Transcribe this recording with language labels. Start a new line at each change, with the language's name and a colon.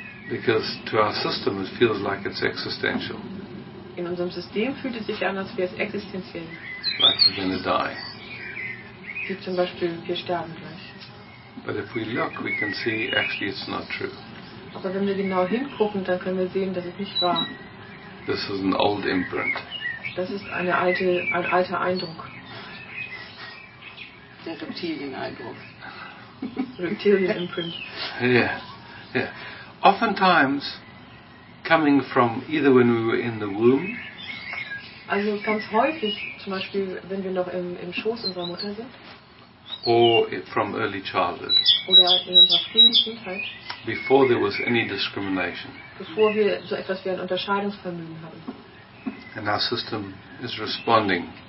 English: Because to our system it feels like it's existential.
German: In unserem System fühlt es sich an, als wäre es existenziell.
English: Like we're gonna die.
German: Wie zum Beispiel, wir sterben gleich.
English: But if we look, we can see actually it's not true.
German: Aber wenn wir genau hingucken, dann können wir sehen, dass es nicht wahr.
English: This is an old imprint.
German: Das ist ein alter Eindruck. Der Reptilien-Eindruck. Reptilien-Imprint.
English: Yeah, yeah. Oftentimes, coming from either when we were in the womb.
German: Also ganz häufig, zum Beispiel, wenn wir noch im Schoß unserer Mutter sind.
English: Or from early childhood.
German: Oder in unserer frühen Kindheit.
English: Before there was any discrimination.
German: Bevor wir so etwas wie ein Unterscheidungsvermögen haben.
English: And our system is responding.